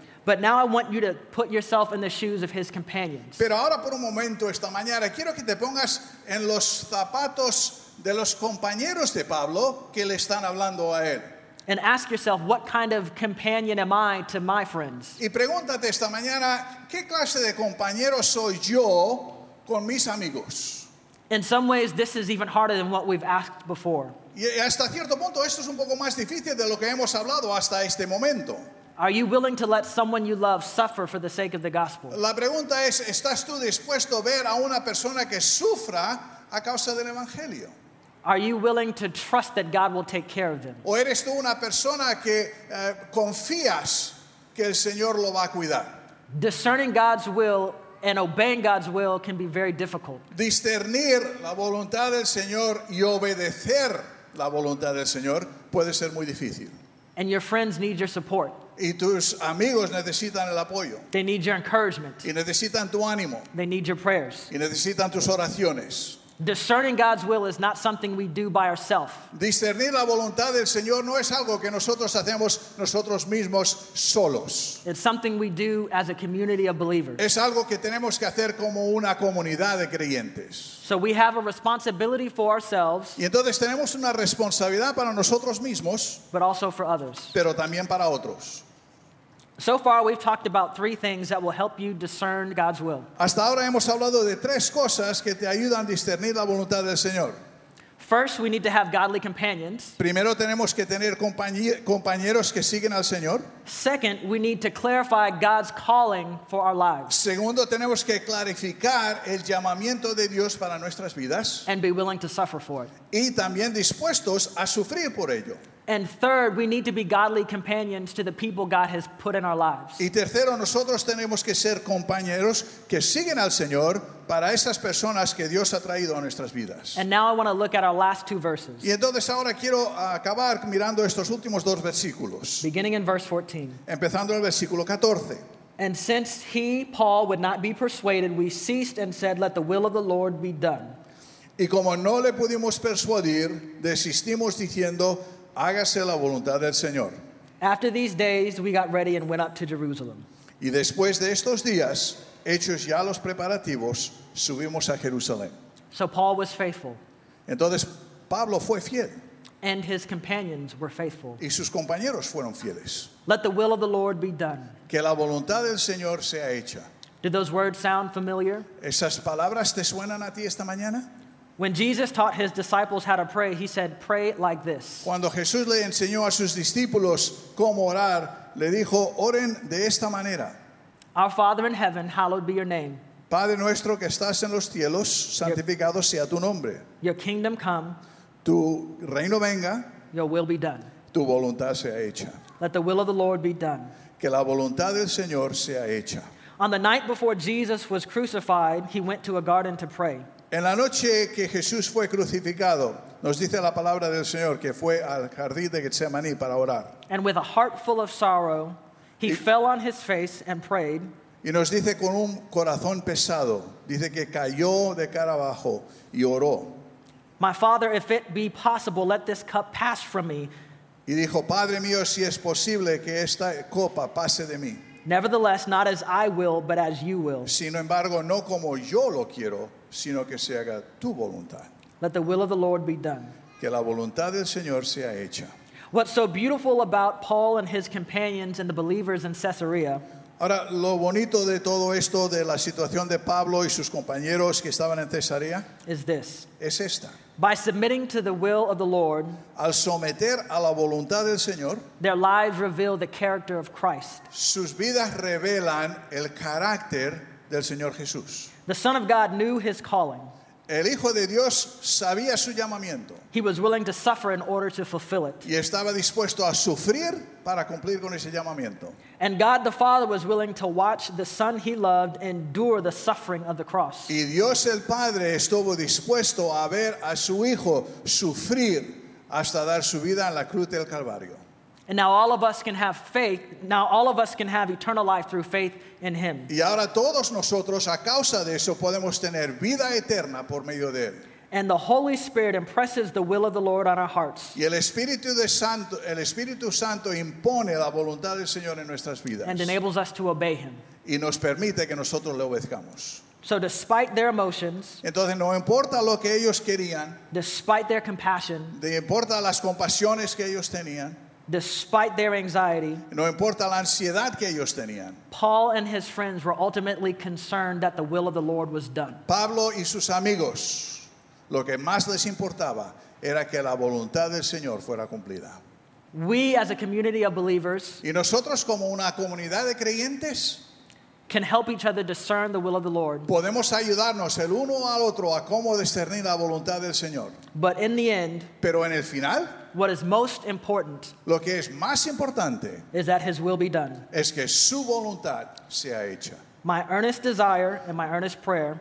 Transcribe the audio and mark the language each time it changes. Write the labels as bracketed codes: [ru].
[en] But now I want you to put yourself in the shoes of his companions. [es] Pero ahora por un momento esta mañana quiero que te pongas en los zapatos de los compañeros de Pablo que le están hablando a él. [en] And ask yourself, what kind of companion am I to my friends? [es] Y pregúntate esta mañana, ¿qué clase de compañero soy yo con mis amigos? [en] In some ways, this is even harder than what we've asked before. [es] Y hasta cierto punto, esto es un poco más difícil de lo que hemos hablado hasta este momento. [en] Are you willing to let someone you love suffer for the sake of the gospel? [es] La pregunta es, ¿estás tú dispuesto a ver a una persona que sufra a causa del evangelio? [en] Are you willing to trust that God will take care of them? [es] ¿O eres tú una persona que confías que el Señor lo va a cuidar? [en] Discerning God's will and obeying God's will can be very difficult. [es] Discernir la voluntad del Señor y obedecer la voluntad del Señor puede ser muy difícil. [en] And your friends need your support. [es] Y tus amigos necesitan el apoyo. [en] They need your encouragement. [es] Y necesitan tu ánimo. [en] They need your prayers. [es] Y necesitan tus oraciones. [en] Discerning God's will is not something we do by ourselves. [es] Discernir la voluntad del Señor no es algo que nosotros hacemos nosotros mismos solos. [en] It's something we do as a community of believers. [es] Es algo que tenemos que hacer como una comunidad de creyentes. [en] So we have a responsibility for ourselves. [es] Y entonces tenemos una responsabilidad para nosotros mismos. [en] But also for others. [es] Pero también para otros. [en] So far, we've talked about three things that will help you discern God's will. [es] Hasta ahora hemos hablado de tres cosas que te ayudan a discernir la voluntad del Señor. [en] First, we need to have godly companions. [es] Primero, tenemos que tener compañeros que siguen al Señor. [en] Second, we need to clarify God's calling for our lives. [es] Segundo, tenemos que clarificar el llamamiento de Dios para nuestras vidas. [en] And be willing to suffer for it. [es] Y también dispuestos a sufrir por ello. [en] And third, we need to be godly companions to the people God has put in our lives. [es] Y tercero, nosotros tenemos que ser compañeros que siguen al Señor para esas personas que Dios ha traído a nuestras vidas. [en] And now I want to look at our last two verses. [es] Y entonces ahora quiero acabar mirando estos últimos dos versículos. [en] Beginning in verse 14. [es] Empezando en el versículo 14. [en] And since he, Paul, would not be persuaded, we ceased and said, let the will of the Lord be done. [es] Y como no le pudimos persuadir, desistimos diciendo, hágase la voluntad del Señor. [en] After these days, we got ready and went up to Jerusalem. [es] Y después de estos días, hechos ya los preparativos, subimos a Jerusalén. [en] So Paul was faithful. [es] Entonces Pablo fue fiel. [en] And his companions were faithful. [es] Y sus compañeros fueron fieles. [en] Let the will of the Lord be done. [es] Que la voluntad del Señor sea hecha. [en] Did those words sound familiar? [es] ¿Esas palabras te suenan a ti esta mañana? [en] When Jesus taught his disciples how to pray, he said, pray like this. [es] Cuando Jesús le enseñó a sus discípulos cómo orar, le dijo, oren de esta manera. [en] Our Father in heaven, hallowed be your name. [es] Padre nuestro que estás en los cielos, santificado sea tu nombre. [en] Your kingdom come. [es] Tu reino venga. [en] Your will be done. [es] Tu voluntad sea hecha. [en] Let the will of the Lord be done. [es] Que la voluntad del Señor sea hecha. [en] On the night before Jesus was crucified, he went to a garden to pray. [es] En la noche que Jesús fue crucificado, nos dice la palabra del Señor que fue al jardín de Getsemaní para orar. [en] And with a heart full of sorrow, he fell on his face and prayed. [es] Y nos dice con un corazón pesado, dice que cayó de cara abajo y oró. [en] My Father, if it be possible, let this cup pass from me. [es] Y dijo, Padre mío, si es posible que esta copa pase de mí. [en] Nevertheless, not as I will, but as you will. [es] Sin embargo, no como yo lo quiero, sino que se haga tu voluntad. [en] Let the will of the Lord be done. [es] Que la voluntad del Señor sea hecha. [en] What's so beautiful about Paul and his companions and the believers in Caesarea? [es] Ahora, lo bonito de todo esto, de la situación de Pablo y sus compañeros que estaban en Cesarea, [en] is this. [es] Es esta. [en] By submitting to the will of the Lord, [es] al someter a la voluntad del Señor, [en] their lives reveal the character of Christ. [es] Sus vidas revelan el carácter del Señor Jesús. [en] The Son of God knew his calling. [es] El Hijo de Dios sabía su llamamiento. [en] He was willing to suffer in order to fulfill it. [es] Y estaba dispuesto a sufrir para cumplir con ese llamamiento. [en] And God the Father was willing to watch the Son he loved endure the suffering of the cross. [es] Y Dios el Padre estuvo dispuesto a ver a su Hijo sufrir hasta dar su vida en la cruz del Calvario. [en] And now all of us can have faith. Now all of us can have eternal life through faith in Him. [es] Y ahora todos nosotros, a causa de eso, podemos tener vida eterna por medio de él. [en] And the Holy Spirit impresses the will of the Lord on our hearts. [es] Y el Espíritu Santo impone la voluntad del Señor en nuestras vidas. [en] And enables us to obey Him. [es] Y nos permite que nosotros le obedezcamos. [en] So despite their emotions, [es] entonces no importa lo que ellos querían, [en] despite their compassion, [es] no importa las compasiones que ellos tenían. [en] Despite their anxiety, [es] no importa la ansiedad que ellos tenían, [en] Paul and his friends were ultimately concerned that the will of the Lord was done. [es] Pablo y sus amigos, lo que más les importaba era que la voluntad del Señor fuera cumplida. [en] We as a community of believers, [es] y nosotros como una comunidad de creyentes, [en] can help each other discern the will of the Lord. [es] Podemos ayudarnos el uno al otro a cómo discernir la voluntad del Señor. [en] But in the end, [es] pero en el final, [en] what is most important, [es] lo que es más importante, [en] is that His will be done. [es] Es que su voluntad sea hecha. [en] My earnest desire and my earnest prayer,